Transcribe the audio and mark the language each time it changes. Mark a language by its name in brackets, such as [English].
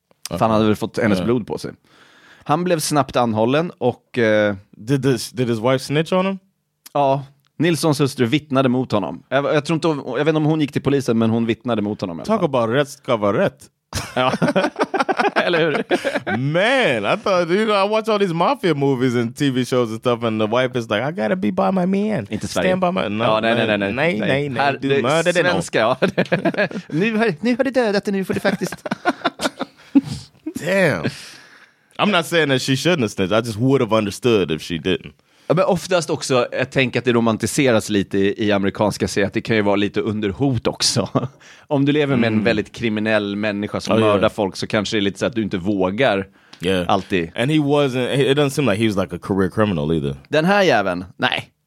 [Swedish] För han hade väl fått hennes blod på sig. Han blev snabbt anhållen och... [English] Did his wife snitch on him? [Swedish] Ja, Nilssons hustru vittnade mot honom. Jag tror inte, jag vet inte om hon gick till polisen, men hon vittnade mot honom. [English] Talk about [Swedish] rätt ska vara rätt. Ja, eller hur? [English] Man, I thought, you know, I watch all these mafia movies and TV shows and stuff, and the wife is like, I gotta be by my man. [Swedish] Inte Sverige. [English] Stand by my... [Swedish] No, ja, nej. Här, det svenska, ja. nu har du dödat det, nu får du faktiskt... Damn. [English] I'm not saying that she shouldn't have snitched. I just would have understood if she didn't. [Swedish] Ja, men oftast också, jag tänker att det romantiseras lite i amerikanska serier, att det kan ju vara lite under hot också. Om du lever med en väldigt kriminell människa som mördar folk, så kanske det är lite så att du inte vågar alltid. [English] And he wasn't, it doesn't seem like he was like a career criminal either. [Swedish] Den här jäveln, nej.